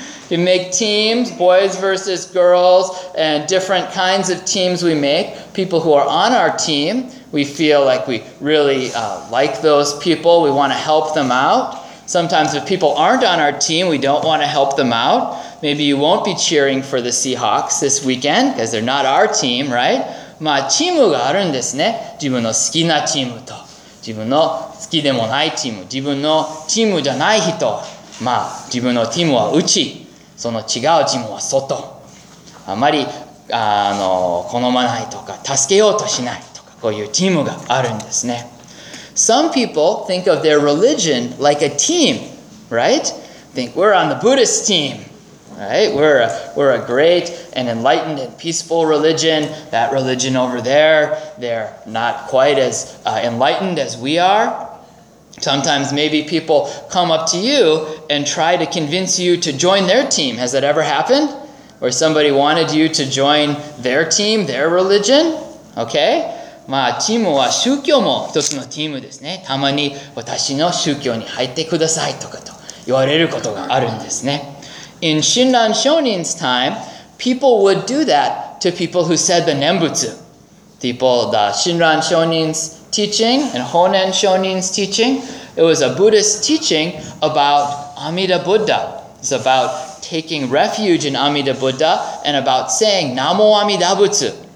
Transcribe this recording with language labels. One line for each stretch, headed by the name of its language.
English: You make teams, boys versus girls, and different kinds of teams we make. People who are on our team, we feel like we really like those people. We want to help them out. Sometimes if people aren't on our team, we don't want to help them out. Maybe you won't be cheering for the Seahawks this weekend because they're not our team, right?
Japanese: まあ、チームがあるんですね。自分の好きなチームと、自分の好きでもないチーム、自分のチームじゃない人。まあ、自分のチームは内、その違うチームは外。あまり好まないとか、助けようとしないとか、こういうチームがあるんですね。
English: Some people think of their religion like a team, right? Think we're on the Buddhist team, right? We're a great and enlightened and peaceful religion. That religion over there, they're not quite as enlightened as we are. Sometimes maybe people come up to you and try to convince you to join their team. Has that ever happened? Where somebody wanted you to join their team, their religion? Okay?
Japanese: まあ、チームは宗教も一つのチームですね。たまに私の宗教に入ってくださいとかと言われることがあるんですね。
English: In Shinran Shonin's time, people would do that to people who said the Nembutsu. People, the Shinran Shonin's teaching and Honen Shonin's teaching. It was a Buddhist teaching about Amida Buddha. It's about taking refuge in Amida Buddha and about saying Namo Amida Butsu.